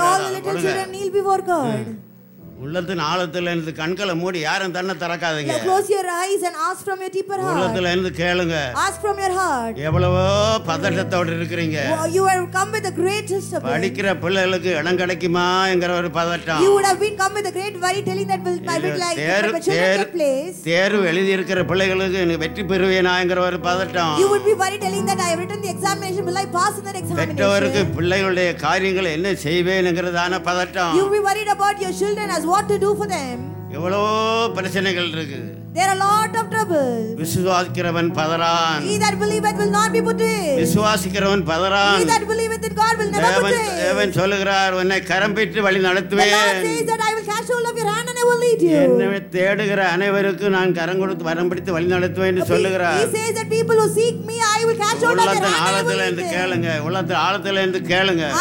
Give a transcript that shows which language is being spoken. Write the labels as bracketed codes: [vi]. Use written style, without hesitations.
[en] Let all the little children kneel before God. [ta] உள்ளத்தின் ஆழத்துல இருந்து கண்களை மூடி யாரும் தன்னை திறக்காதீங்க. [en] Close your eyes and ask from your deeper heart. [ta] உள்ளத்துல இருந்து கேளுங்க. [en] Ask from your heart. [ta] எவ்வளவோ பதட்டத்தோடு இருக்கிறீங்க. [en] You have come with the greatest of [ta] படிக்கிற பிள்ளைகளுக்கு இடம் கிடைக்குமா என்கிற ஒரு பதட்டம். [en] You would have been come with a great worry telling that will my bit like their place. [ta] தேர்வு எழுதி இருக்கிற பிள்ளைகளுக்கு எனக்கு வெற்றி பெறுவேனா என்கிற ஒரு பதட்டம். [en] You would be worried telling that I have written the examination will I pass in that examination. [ta] பெற்றோருக்கு பிள்ளைகளுடைய காரியங்களை என்ன செய்வேன் என்கிறதான பதட்டம். [en] You would be worried about your children as what to do for them. [ta] எவ்வளவு பிரச்சனைகள் இருக்கு. [en] There are a lot of troubles. [ta] விசுவாசிக்கிறவன் பதறான். [en] He that believeth will not be put to shame. [ta] விசுவாசிக்கிறவன் பதறான். [en] He that believeth in God will never put to shame. [ta] தேவன் சொல்கிறார், உன்னை கரம்பிட்டு வழி நடத்துவேன். [en] The Lord says that I will catch hold of your hand and I will lead you. [ta] என்னை தேடுகிற அனைவருக்கும் நான் கரம் கொடுத்து வரம்பிடித்து வழி நடத்துவேன் என்று சொல்கிறார். [en] He says that people who seek me, I will catch hold of their hand and I will lead them. [ta] கேளுங்க, உள்ளத்தில் ஆழத்தில் இருந்து கேளுங்க.